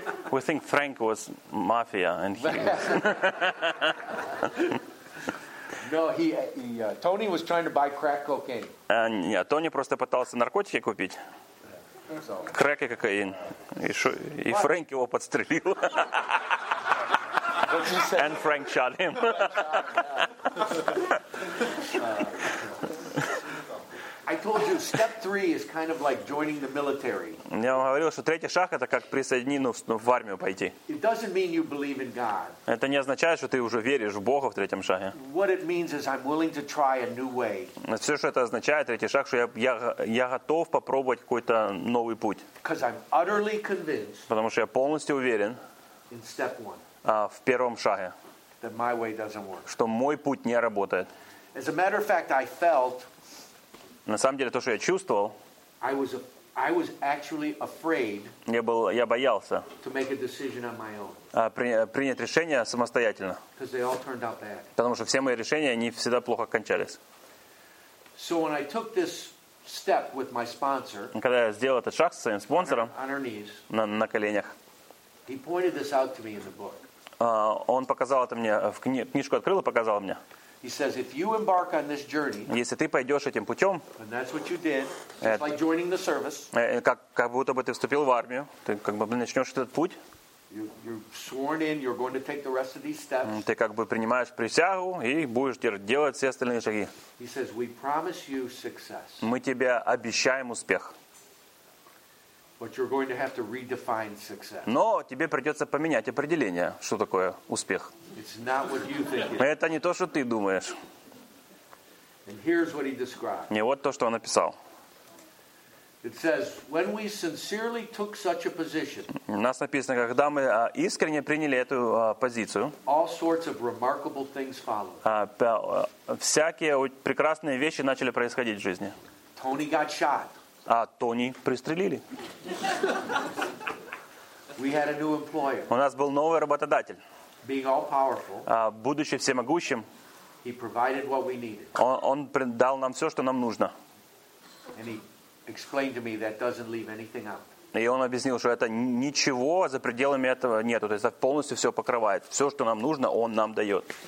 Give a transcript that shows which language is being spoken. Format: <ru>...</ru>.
<en>We think Frank was mafia, and he. No, he. Tony was trying to buy crack cocaine.</en> <ru>Нет, Тони просто пытался наркотики купить. Крэк и кокаин. И Фрэнк его подстрелил.</ru> <en>And Frank shot him. I told you, step three is kind of like joining the military.</en> <ru>Я вам говорил, что третий шаг это как присоединиться в армию пойти.</ru> <en>It doesn't mean you believe in God.</en> <ru>Это не означает, что ты уже веришь в Бога в третьем шаге.</ru> <en>What it means is I'm willing to try a new way.</en> <ru>Все, что это означает, третий шаг, что я готов попробовать какой-то новый путь.</ru> <en>Because I'm utterly convinced.</en> <ru>Потому что я полностью уверен.</ru> <en>In step one.</en> <ru>В первом шаге,</ru> <en>that my way doesn't work.</en> <ru>Что мой путь не работает.</ru> <en>As a matter of fact, I felt,</en> <ru>на самом деле, то, что я чувствовал,</ru> <en>I was actually afraid,</en> <ru>я боялся</ru> <en>to make a decision on my own.</en> <ru>Принять решение самостоятельно,</ru> <en>because they all turned out bad.</en> <ru>Потому что все мои решения не всегда плохо кончались.</ru> <en>So when I took this step with my sponsor,</en> <ru>когда я сделал этот шаг со своим спонсором</ru> <en>on her knees,</en> <ru>на коленях,</ru> <en>he pointed this out to me in the book.</en> <ru>Он показал это мне в книжку открыл и показал мне.</ru> <en>He says, if you embark on this journey,</en> <ru>если ты пойдешь этим путем,</ru> <en>and that's what you did, it's like joining the service.</en> <ru>Как будто бы ты вступил в армию, ты как бы начнешь этот путь.</ru> <en>You're sworn in, you're going to take the rest of these steps.</en> <ru>Ты как бы принимаешь присягу и будешь делать все остальные шаги.</ru> <en>He says, we promise you success.</en> <ru>Мы тебе обещаем успех.</ru> <en>But you're going to have to redefine success.</en> <ru>Но тебе придется поменять определение, что такое успех.</ru> <en>It's not what you think it is.</en> <ru>Это не то, что ты думаешь.</ru> <en>And here's what he described.</en> <ru>Не вот то, что он написал.</ru> <en>It says, when we sincerely took such a position.</en> <ru>У нас написано, когда мы искренне приняли эту позицию.</ru> <en>All sorts of remarkable things followed.</en> <ru>Всякие прекрасные вещи начали происходить в жизни.</ru> <en>Tony got shot.</en> <ru>А Тони пристрелили.</ru> <en>We had a new employer.</en> <ru>У нас был новый работодатель.</ru> <en>Being all powerful,</en> <ru>будучи всемогущим,</ru> <en>he provided what we needed.</en> <ru>Он дал нам все, что нам нужно.</ru> <en>And he explained to me that doesn't leave anything out.</en> <ru>И он объяснил, что это ничего за пределами этого нету. То есть это полностью все покрывает. Все, что нам нужно, он нам дает.</ru>